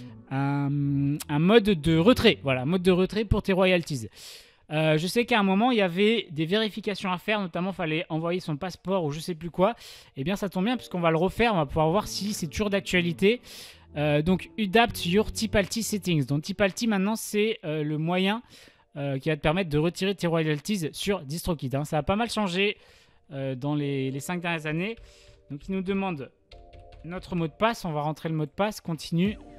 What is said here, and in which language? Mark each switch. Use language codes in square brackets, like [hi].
[fr] Un mode de retrait, voilà, mode de retrait pour tes royalties. Je sais qu'à un moment il y avait des vérifications à faire, notamment fallait envoyer son passeport ou je sais plus quoi. Et bien ça tombe bien puisqu'on va le refaire, on va pouvoir voir si c'est toujours d'actualité. Donc [en] adapt your Tipalti settings. [fr] Donc Tipalti maintenant c'est le moyen qui va te permettre de retirer tes royalties sur DistroKid. Hein. Ça a pas mal changé dans les 5 dernières années. Donc il nous demande notre mot de passe, on va rentrer le mot de passe, continue.